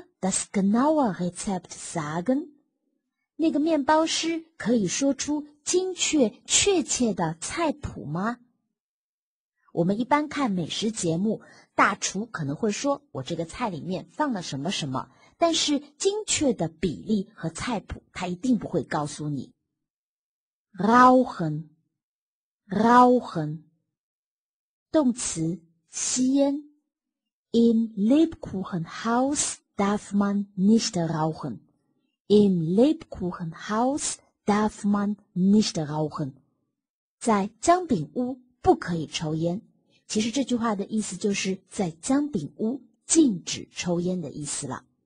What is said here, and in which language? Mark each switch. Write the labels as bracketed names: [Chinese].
[German] Darf der Bäcker das genaue Rezept sagen? [Chinese] 那个面包师可以说出精确确切的菜谱吗？我们一般看美食节目，大厨可能会说我这个菜里面放了什么什么，但是精确的比例和菜谱他一定不会告诉你。 [German] Rauchen [Chinese] 动词吸烟。 [German] Im Lebkuchenhaus darf man nicht rauchenIm Lebkuchenhaus darf man nicht rauchen. [Chinese] 在姜饼屋不可以抽烟。其实这句话的意思就是在姜饼屋禁止抽烟的意思了。